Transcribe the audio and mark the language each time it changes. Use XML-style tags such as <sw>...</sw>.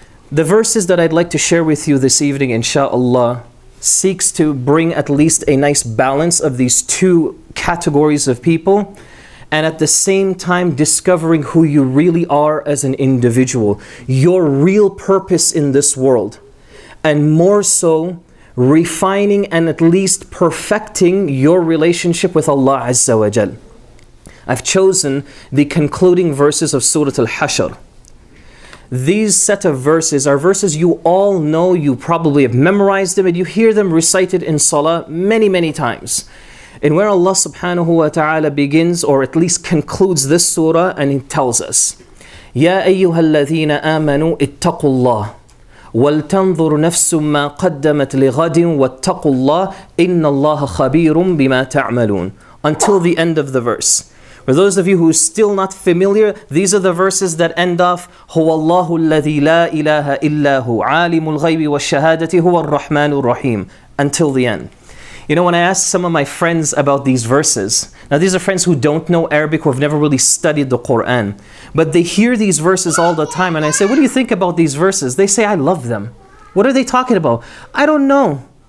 <en>The verses that I'd like to share with you this evening, inshallah, seeks to bring at least a nice balance of these two categories of people, and at the same time discovering who you really are as an individual, your real purpose in this world, and more so, refining and at least perfecting your relationship with Allah Azza wa Jal. I've chosen the concluding verses of Surah Al-Hashr. These set of verses are verses you all know, you probably have memorized them, and you hear them recited in Salah many, many times. And where Allah subhanahu wa ta'ala begins, or at least concludes this surah, and He tells us,</en> <ar>يَا أَيُّهَا الَّذِينَ آمَنُوا اتَّقُوا اللَّهِ وَلْتَنْظُرْ نَفْسٌ مَّا قَدَّمَتْ لِغَدٍ وَاتَّقُوا اللَّهَ إِنَّ اللَّهَ خَبِيرٌ بِمَا تَعْمَلُونَ.</ar> <en>Until the end of the verse. For those of you who are still not familiar, these are the verses that end off,</en> <ar>هُوَ اللَّهُ الَّذِي لَا إِلَٰهَ إِلَّا هُوَ عَالِمُ الْغَيْبِ وَالشَّهَادَةِ هُوَ الرَّحْمَنُ الرَّحِيمُ.</ar> <en>Until the end. You know, when I asked some of my friends about these verses, now these are friends who don't know Arabic, who have never really studied the Quran, but they hear these verses all the time, and I say, what do you think about these verses? They say, I love them. What are they talking about? I don't know.</en>